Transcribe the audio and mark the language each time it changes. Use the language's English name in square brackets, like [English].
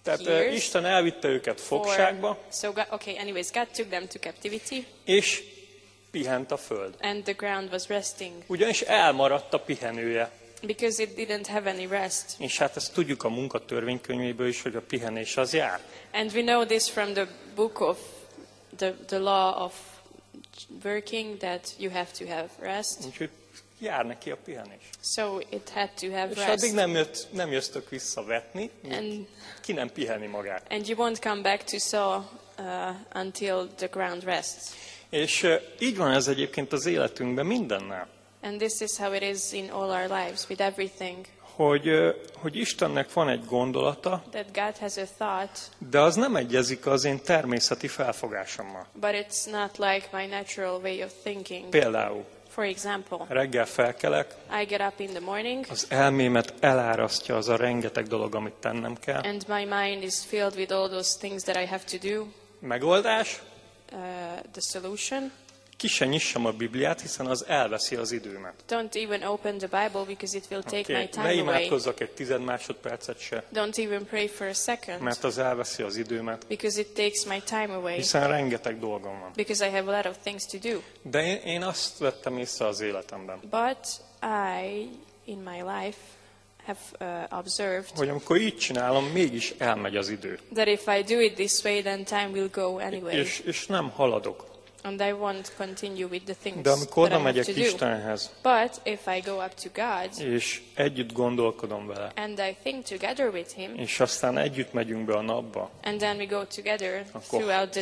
[Hungarian] Tehát Isten elvitte őket fogságba. [English] So, okay, anyways, God took them to captivity. [Hungarian] És pihent a föld. [English] And the ground was resting. [Hungarian] Ugyanis elmaradt a pihenője. [English] Because it didn't have any rest. [Hungarian] És hát ezt tudjuk a munkatörvénykönyvéből is, hogy a pihenés az jár. [English] And we know this from the book of the law of working that you have to have rest. [Hungarian] Úgyhogy jár neki a pihenés. [English] So it had to have rest. [Hungarian] És addig nem jöttök vissza vetni, ki nem pihenni magát. [English] And you won't come back to sow until the ground rests. [Hungarian] És így van ez egyébként az életünkben mindennel. [English] And this is how it is in all our lives with everything. [Hungarian] Hogy Istennek van egy gondolata. [English] That God has a thought. [Hungarian] De az nem egyezik az én természeti felfogásommal. [English] But it's not like my natural way of thinking. [Hungarian] Például. [English] For example. [Hungarian] Reggel felkelek. [English] I get up in the morning. [Hungarian] Az elmémet elárasztja az a rengeteg dolog, amit tennem kell. [English] And my mind is filled with all those things that I have to do. [Hungarian] Megoldás. [English] The solution. [Hungarian] Ki se nyissam a Bibliát, hiszen az elveszi az időmet. [English] Don't even open the Bible because it will take my time away. [Hungarian] Ne imádkozzak egy tized másodpercet se. [English] Don't even pray for a second. [Hungarian] Mert az elveszi az időmet. [English] Because it takes my time away. [Hungarian] Hiszen rengeteg dolgom van. [English] Because I have a lot of things to do. [Hungarian] De én azt vettem észre az életemben. [English] But I in my life have observed. [Hungarian] Hogy amikor így csinálom, mégis elmegy az idő. [English] That if I do it this way then time will go anyway. [Hungarian] És nem haladok. [English] And I won't continue with the things. [Hungarian] De amikor oda megyek Istenhez. [English] But if I go up to God. [Hungarian] És együtt gondolkodom vele. [English] And I think together with him. [Hungarian] És aztán együtt megyünk be a napba. [English] And then we go together throughout the day.